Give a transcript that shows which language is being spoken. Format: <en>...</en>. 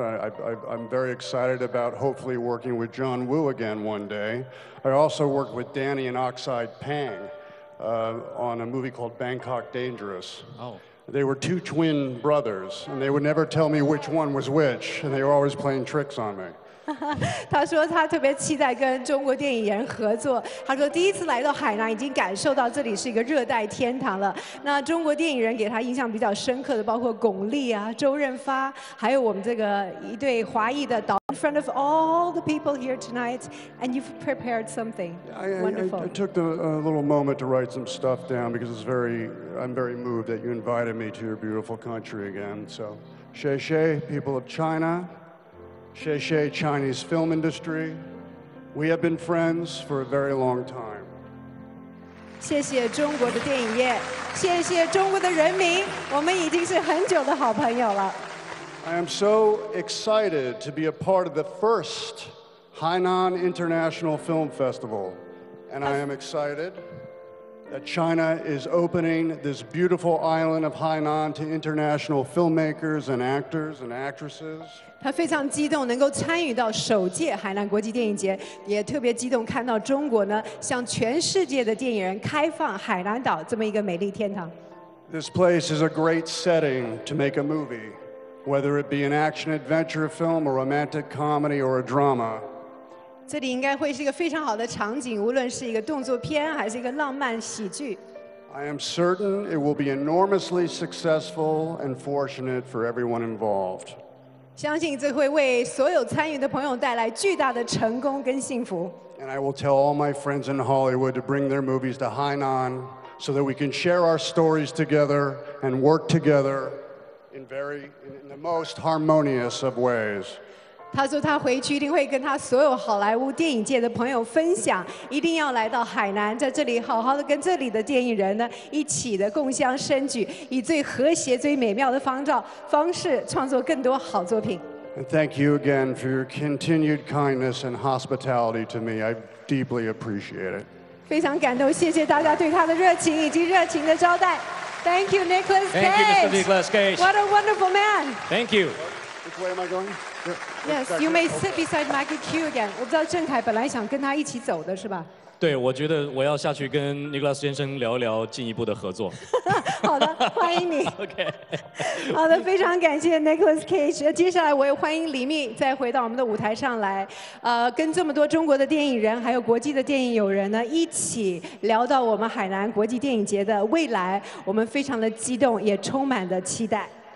<en>I'm very excited about hopefully working with John Woo again one day. I also worked with Danny and Oxide Pang on a movie called Bangkok Dangerous. Oh. They were two twin brothers, and they would never tell me which one was which, and they were always playing tricks on me.</en> <zh>他说他特别期待跟中国电影人合作。他说第一次来到海南，已经感受到这里是一个热带天堂了。那中国电影人给他印象比较深刻的，包括巩俐啊、周润发，还有我们这个一对华裔的导。</zh> <en>In front of all the people here tonight, and you've prepared something wonderful. I took a little moment to write some stuff down because it's I'm very moved that you invited me to your beautiful country again. So,</en> <zh>xie xie,</zh> <en>people of China. Xie xie, Chinese film industry. We have been friends for a very long time.</en> <zh>谢谢中国的电影业，谢谢中国的人民，我们已经是很久的好朋友了。</zh> <en>I am so excited to be a part of the first Hainan International Film Festival, and I am excited that China is opening this beautiful island of Hainan to international filmmakers and actors and actresses.</en> <zh>他非常激动能够参与到首届海南国际电影节，也特别激动看到中国呢向全世界的电影人开放海南岛这么一个美丽天堂。</zh> <en>This place is a great setting to make a movie, whether it be an action adventure film, a romantic comedy or a drama.</en> <zh>这里应该会是一个非常好的场景，无论是一个动作片还是一个浪漫喜剧。</zh> <en>I am certain it will be enormously successful and fortunate for everyone involved.</en> <zh>相信这会为所有参与的朋友带来巨大的成功跟幸福。</zh> <en>And I will tell all my friends in Hollywood to bring their movies to Hainan so that we can share our stories together and work together in the most harmonious of ways.</en> <zh>他说他回去一定会跟他所有好莱坞电影界的朋友分享，一定要来到海南，在这里好好的跟这里的电影人呢一起的共襄盛举，以最和谐、最美妙的方式创作更多好作品。</zh> <en>And thank you again for your continued kindness and hospitality to me. I deeply appreciate it.</en> <zh>非常感动，谢谢大家对他的热情以及热情的招待。</zh> <en>Thank you, Nicolas Cage. Thank you, Mr. Nicolas Cage. What a wonderful man. Thank you. Which way am I going? Yes, you may sit beside Maggie Q again.</en> <zh>我知道郑恺本来想跟他一起走的是吧？对，我觉得我要下去跟尼古拉斯先生聊一聊进一步的合作。好的，欢迎你。</zh> <en>OK。</en> <zh>好的，非常感谢 Nicolas Cage。接下来我也欢迎李密再回到我们的舞台上来，跟这么多中国的电影人还有国际的电影友人呢一起聊到我们海南国际电影节的未来，我们非常的激动，也充满的期待。</zh>